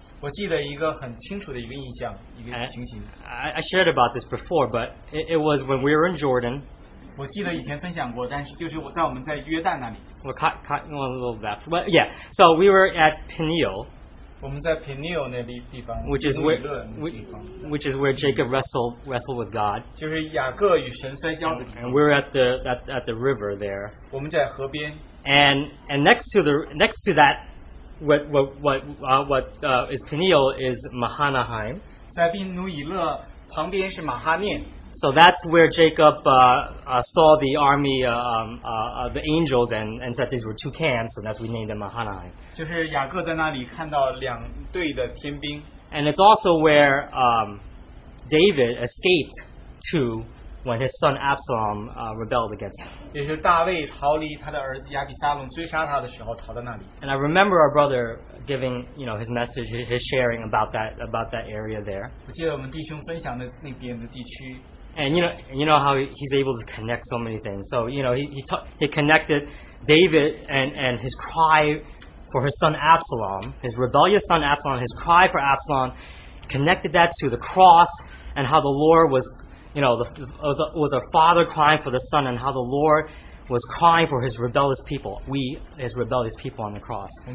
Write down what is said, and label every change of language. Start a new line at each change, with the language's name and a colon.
Chinese: 我记得一个很清楚的一个印象，一个情形。
English: I shared about this before, but it was when we were in Jordan.
Chinese: 我记得以前分享过，但是就是我们在约旦那里。
English: Well, cut a little left. But yeah, so we were at Peniel.
Chinese: 我们在平尼欧那地方,
English: which is where Jacob wrestled with God.
Chinese: 就是雅各与神摔跤的地方,
English: and we're at the river there.
Chinese: 我们在河边,
English: and next to that what is Peniel is Mahanaim.
Chinese: 在宾努以勒旁边是马哈念.
English: So that's where Jacob saw the army, the angels, and said these were two camps, and that's we named them Mahanaim.
Chinese: 就是雅各在那里看到两队的天兵.
English: And it's also where David escaped to when his son Absalom rebelled against him.
Chinese: 也是大卫逃离他的儿子亚比撒龙追杀他的时候逃到那里.
English: And I remember our brother giving, you know, his message, his sharing about that area there.
Chinese: 我记得我们弟兄分享的那边的地区.
English: And you know how he's able to connect so many things. So, you know, he connected David and his cry for his son Absalom, his rebellious son Absalom, his cry for Absalom, connected that to the cross and how the Lord was, you know, was a father crying for the son, and how the Lord was crying for his rebellious people, his rebellious people on the cross.